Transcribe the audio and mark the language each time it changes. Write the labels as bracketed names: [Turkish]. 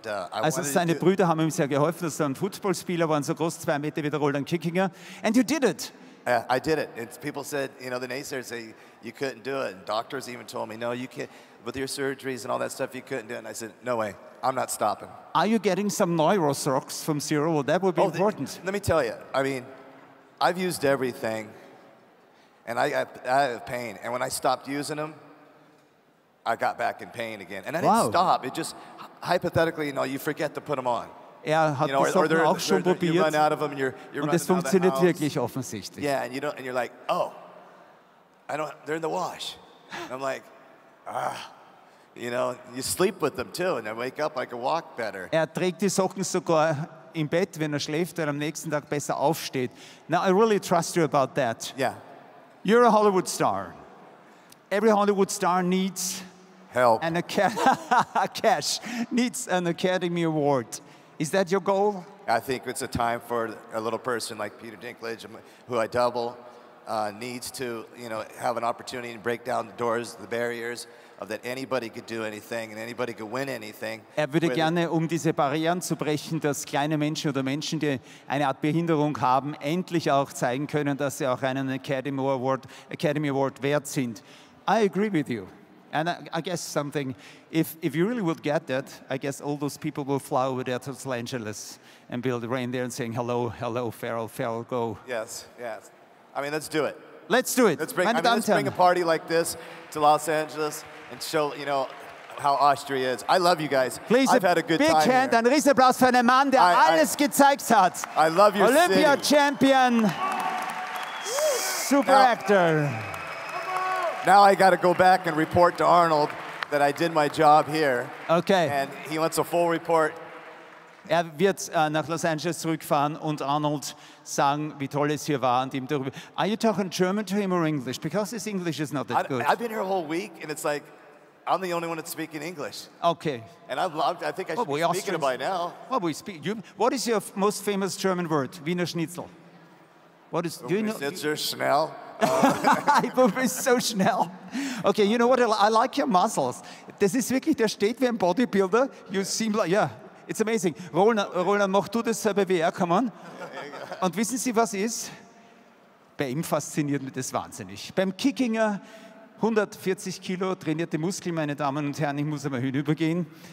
[German] Also seine Brüder haben ihm sehr geholfen, dass er ein Fußballspieler war, so groß, 2 Meter wie der Roland Kickinger. [English] And you did it. I did it. And people said, you know, the naysayers say you couldn't do it. And doctors even told me, no, you can't. With your surgeries and all that stuff, you couldn't do it. And I said, no way. I'm not stopping. Are you getting some Neuro socks from Zero? Well, that would be important. Let me tell you. I mean, I've used everything. And I have pain. And when I stopped using them, I got back in pain again. And I didn't stop. It just, hypothetically, you know, you forget to put them on. [German] Er hat die Socken auch schon probiert. [English] You run out of them and you're running out of the house. Yeah, and you're like, oh, I don't, they're in the wash. And I'm like, ah. You know, you sleep with them too. And I wake up, I can walk better. [German] Er trägt die Socken sogar im Bett, wenn er schläft, weil er am nächsten Tag besser aufsteht. [English] Now, I really trust you about that. Yeah. You're a Hollywood star. Every Hollywood star needs help. Needs an Academy Award. Is that your goal? I think it's a time for a little person like Peter Dinklage, who I double, needs to, you know, have an opportunity to break down the doors, the barriers, of that anybody could do anything and anybody could win anything. [German] Er würde gerne, um diese Barrieren zu brechen, dass kleine Menschen oder Menschen, die eine Art Behinderung haben, endlich auch zeigen können, dass sie auch einen Academy Award wert sind. [English] I agree with you. And I guess something, if you really would get that, I guess all those people will fly over there to Los Angeles and build a rain there and saying, hello, hello, Farrell, go. Yes, yes. I mean, let's do it. Let's do it. Let's bring a party like this to Los Angeles. And show, you know, how Austria is. I love you guys. Please, I've had a good big time hand, here. [German] Ein Riesenapplaus für einen Mann, der alles gezeigt hat. [English] I love your Olympia city. Olympia champion. Super now, actor. Now I got to go back and report to Arnold that I did my job here. Okay. And he wants a full report. [German] Er wird nach Los Angeles zurückfahren und Arnold sagen, wie toll es hier war und ihm darüber. [English] Are you talking German to him or English? Because his English is not that good. I've been here a whole week and it's like I'm the only one that's speaking English. Okay. And I think I should be speaking it by now. Well, we speak. What is your most famous German word? Wiener Schnitzel. What is? Do you know? Schnitzel Schnell. [German] Ich so schnell. [English] Okay, you know what? I like your muscles. [German] Das ist wirklich. Der steht wie ein Bodybuilder. [English] You seem like yeah. It's amazing. Roland, [German] mach du dasselbe wie er, [English] come on. [German] Und wissen Sie, was ist? Bei ihm fasziniert mich das wahnsinnig. Beim Kickinger, 140 Kilo trainierte Muskeln, meine Damen und Herren, ich muss einmal hinübergehen.